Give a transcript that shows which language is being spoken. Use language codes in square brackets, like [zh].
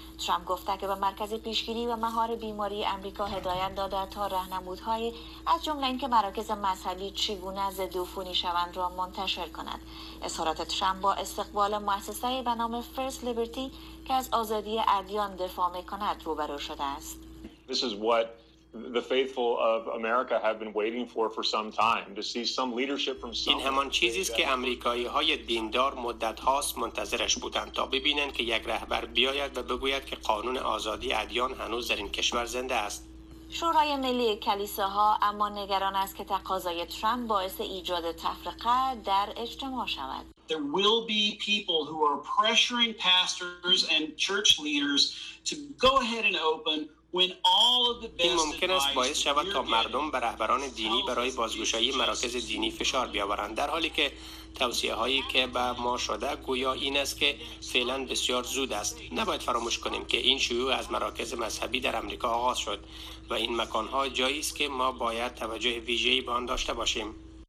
[fa] ترامپ گفته که به مرکز پیشگیری و مهار بیماری آمریکا هدایت داده تا راهنمودهای از جمله اینکه مراکز مذهبی چگونه ضد عفونی شوند را منتشر کند. اظهارات ترامپ با استقبال مؤسسه به نام First Liberty که از آزادی ادیان دفاع می‌کند روبرو شده است. [en] This is what the faithful of America have been waiting for some time to see some leadership from some. [fa] این همان چیزی است که آمریکایی‌های دیندار مدت هاست منتظرش بودند تا ببینند که یک رهبر بیاید و بگوید که قانون آزادی ادیان هنوز در این کشور زنده است. شورای ملی کلیساها اما نگران است که تقاضای ترامپ باعث ایجاد تفرقه در اجتماع شود. [en] There will be people who are pressuring pastors and church leaders to go ahead and open. [fa] این ممکن است باعث شود تا مردم به رهبران دینی برای بازگشایی مراکز دینی فشار بیاورند، در حالی که توصیه هایی که به ما شده گویا این است که فعلا بسیار زود است. نباید فراموش کنیم که این شیوع از مراکز مذهبی در آمریکا آغاز شد و این مکان ها جایی است که ما باید توجه ویژه‌ای به آن داشته باشیم.